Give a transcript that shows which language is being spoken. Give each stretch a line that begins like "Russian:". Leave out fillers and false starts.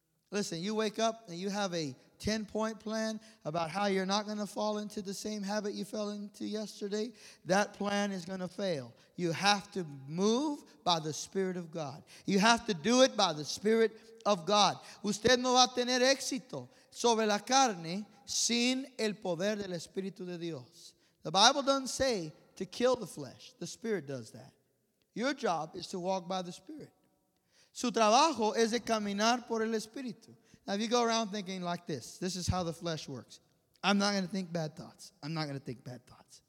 English: Listen, you wake up and you have a 10-point plan about how you're not going to fall into the same habit you fell into yesterday. That plan is going to fail. You have to move by the Spirit of God. You have to do it by the Spirit of God.
Spanish: Usted no va a tener éxito sobre la carne sin el poder del Espíritu de Dios.
English: The Bible doesn't say to kill the flesh. The Spirit does that. Your job is to walk by the Spirit.
Spanish: Su trabajo es de caminar por el Espíritu.
English: Now, if you go around thinking like this, this is how the flesh works. I'm not going to think bad thoughts. I'm not going to think bad thoughts.